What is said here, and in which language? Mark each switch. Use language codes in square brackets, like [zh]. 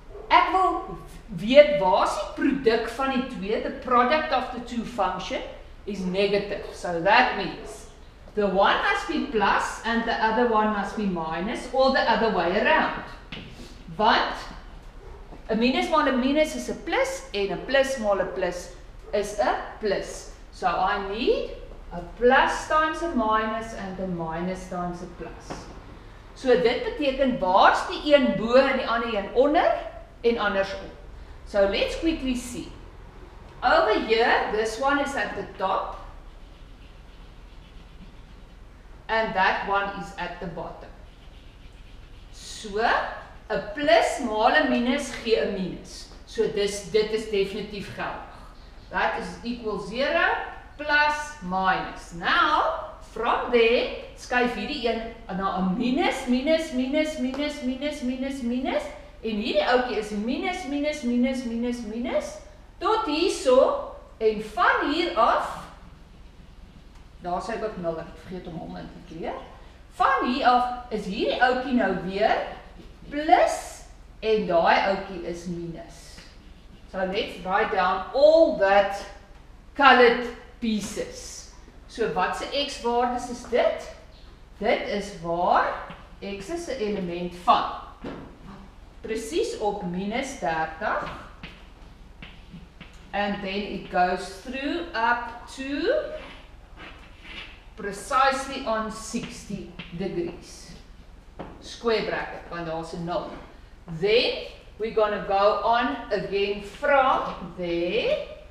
[af] Ek wil weet, waar is die product van die twee? [en] The product of the two function is negative. So that means, the one must be plus and the other one must be minus, or the other way around. [af] Want, a minus maal a minus is a plus, en a plus maal a plus is a plus. [en] So I need a plus times a minus and a minus times a plus. [af] So dit beteken, waar is die een bo en die ander een onder? En andersom. [en] So let's quickly see. Over here, this one is at the top. And that one is at the bottom. So, [af] a plus maal a minus gee a minus. So dit is definitief geldig. [en] That is equal 0 plus minus. Now, from there, [af] skuif hierdie een na a minus, minus, minus, minus, minus, minus, minus. En hierdie oukie is minus, minus, minus, minus, minus, tot hierso, en van hier af, daar sê ek ook nul, ek vergeet om in te kleer, van hier af is hierdie oukie nou weer plus, en daai oukie is minus. [en] So let's write down all that colored pieces. [af] So wat se x-waardes is dit? Dit is waar x is 'n element van. Precies op minus 30. [en] And then it goes through up to precisely on 60 degrees. Square bracket, [af] want daar is 'n 0. [en] Then we're going to go on again from there.